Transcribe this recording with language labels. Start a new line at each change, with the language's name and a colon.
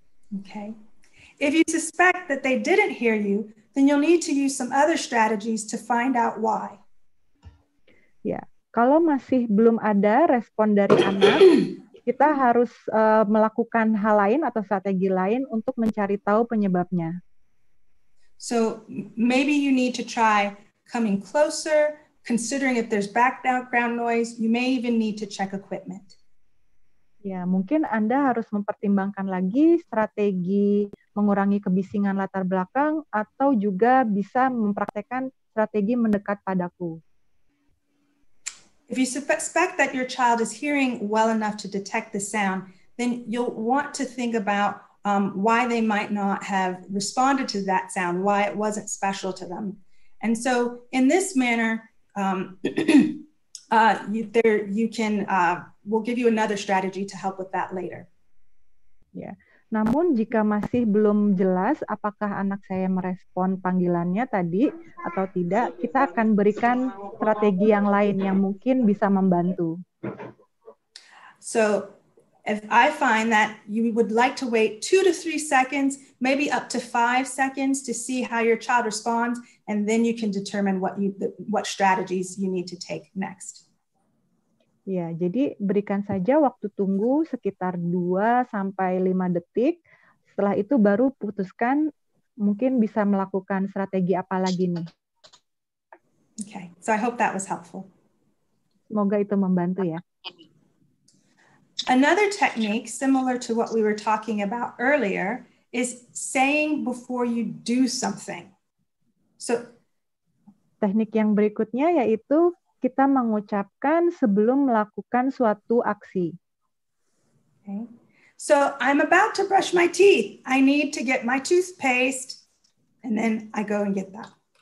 English: Okay. If you suspect that they didn't hear you, then you'll need to use some other strategies to find out why.
Indonesian: Ya, kalau masih belum ada respon dari anak, kita harus melakukan hal lain atau strategi lain untuk mencari tahu penyebabnya.
English: So, maybe you need to try coming closer, considering if there's background noise, you may even need to check equipment.
Indonesian: Ya, mungkin Anda harus mempertimbangkan lagi strategi mengurangi kebisingan latar belakang atau juga bisa mempraktikkan strategi mendekat padaku.
English: If you suspect that your child is hearing well enough to detect the sound, then you'll want to think about why they might not have responded to that sound, why it wasn't special to them. And so in this manner, we'll give you another strategy to help with that later. Yeah.
Indonesian: Namun jika masih belum jelas apakah anak saya merespon panggilannya tadi atau tidak, kita akan berikan strategi yang lain yang mungkin bisa membantu.
English: So, if I find that you would like to wait 2 to 3 seconds, maybe up to 5 seconds to see how your child responds, and then you can determine what strategies you need to take next.
Indonesian: Ya, jadi berikan saja waktu tunggu sekitar 2 sampai 5 detik. Setelah itu baru putuskan mungkin bisa melakukan strategi apa lagi nih.
English: Okay. So I hope that was helpful.
Indonesian: Semoga itu membantu ya.
English: Another technique similar to what we were talking about earlier is saying before you do something. So
Indonesian: teknik yang berikutnya yaitu kita mengucapkan sebelum melakukan suatu aksi.
English: Okay. So I'm about to brush my teeth. I need to get my toothpaste. And then I go and get that.